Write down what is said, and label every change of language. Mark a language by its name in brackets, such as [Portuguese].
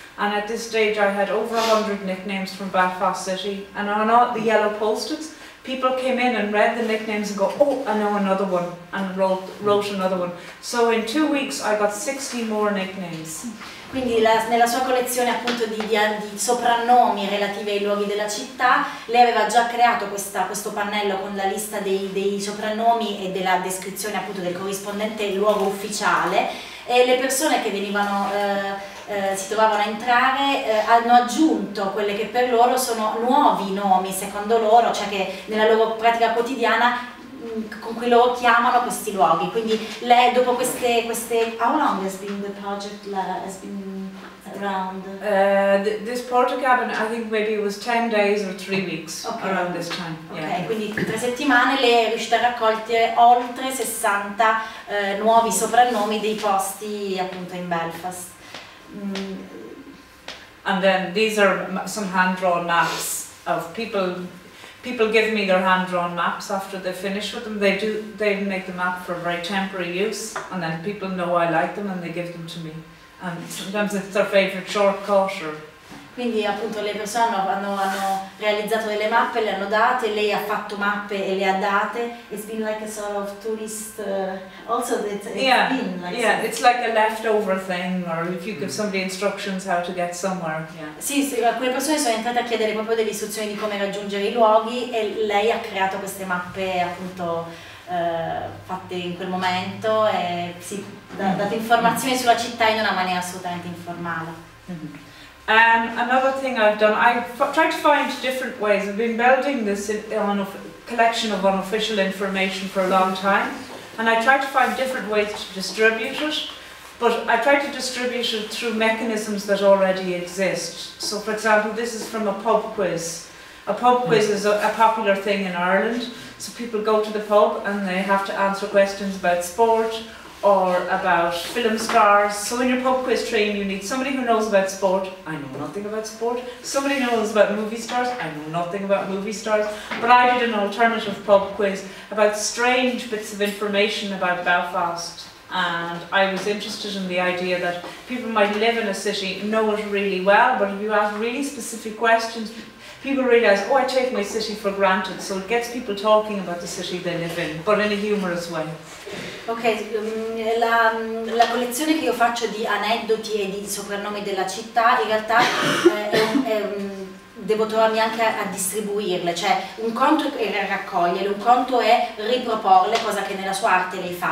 [English] And at this stage, I had over 100 nicknames from Belfast City. And on all the yellow post-its, people came in and read the nicknames and go, oh, I know another one, and wrote another one. So in 2 weeks, I got 60 more nicknames. [Italian] Quindi nella sua collezione appunto di soprannomi relativi ai luoghi della città, lei aveva già creato questo pannello con la lista dei soprannomi e della descrizione appunto del corrispondente luogo ufficiale, e le persone che venivano si trovavano a entrare hanno aggiunto quelle che per loro sono nuovi nomi secondo loro, cioè che nella loro pratica quotidiana con cui loro chiamano questi luoghi. Quindi lei dopo queste [English] how long has been the project has been around this porta cabin, I think maybe it was 10 days or 3 weeks. Okay. Around this time. Okay. Yeah. [Italian] Quindi 3 settimane lei è riuscita a raccogliere oltre 60 nuovi soprannomi dei posti appunto in Belfast. [English] And then these are some hand-drawn maps of people. People give me their hand-drawn maps after they finish with them. They make the map for very temporary use, and then people know I like them and they give them to me. And sometimes it's their favorite shortcut or. [Italian] Quindi appunto le persone hanno realizzato delle mappe, le hanno date, lei ha fatto mappe e le ha date. [English] It's been like a sort of tourist, also that it's been like. Yeah, it's like a leftover thing, or if you give somebody instructions how to get somewhere. [Italian] Sì, sì, alcune persone sono entrate a chiedere proprio delle istruzioni di come raggiungere i luoghi e lei ha creato queste mappe appunto fatte in quel momento e sì, date informazioni sulla città in una maniera assolutamente informale. [English] Another thing I've done, I've tried to find different ways. I've been building this collection of unofficial information for a long time, and I tried to find different ways to distribute it, but I tried to distribute it through mechanisms that already exist. So for example, this is from a pub quiz. A pub quiz is a popular thing in Ireland, so people go to the pub and they have to answer questions about sport, or about film stars. So in your pub quiz train, you need somebody who knows about sport. I know nothing about sport. Somebody knows about movie stars. I know nothing about movie stars. But I did an alternative pub quiz about strange bits of information about Belfast. And I was interested in the idea that people might live in a city, know it really well, but if you ask really specific questions, people realize, oh, I take my city for granted. So it gets people talking about the city they live in, but in a humorous way. [Italian] Ok, la collezione che io faccio di aneddoti e di soprannomi della città, in realtà devo trovarmi anche a distribuirle, cioè un conto è raccoglierle, un conto è riproporle, cosa che nella sua arte lei fa.